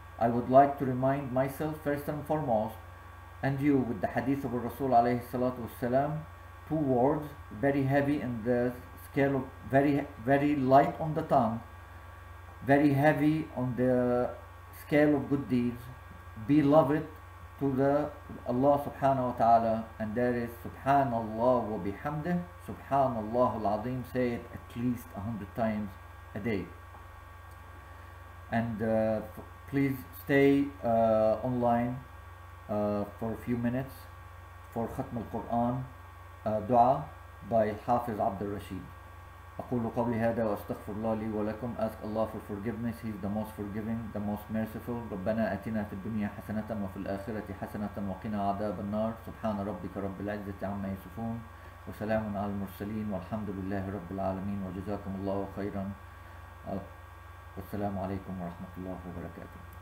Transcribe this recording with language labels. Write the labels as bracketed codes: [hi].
[en] I would like to remind myself first and foremost and you with the hadith of [ar] Rasul alayhi salatu wasalam, [en] two words very heavy in the scale of very light on the tongue, very heavy on the scale of good deeds, beloved to the Allah subhanahu wa ta'ala, and there is [ar] subhanallah wa bihamdih, subhanallah al-azim, [en] say it at least 100 times a day. And please stay online for a few minutes for Khatm al-Quran dua by Hafiz Abdul Rashid. [ar] أقول قبل هذا وأستغفر الله لي ولكم. [en] Ask Allah for forgiveness. He is the most forgiving, the most merciful. [ar] ربنا أتنا في الدنيا حسنة وفي الآخرة حسنة وقنا عذاب النار. سبحان ربك رب العزة عما يصفون. وسلام على المرسلين والحمد لله رب العالمين وجزاكم الله خيرا. والسلام عليكم ورحمة الله وبركاته.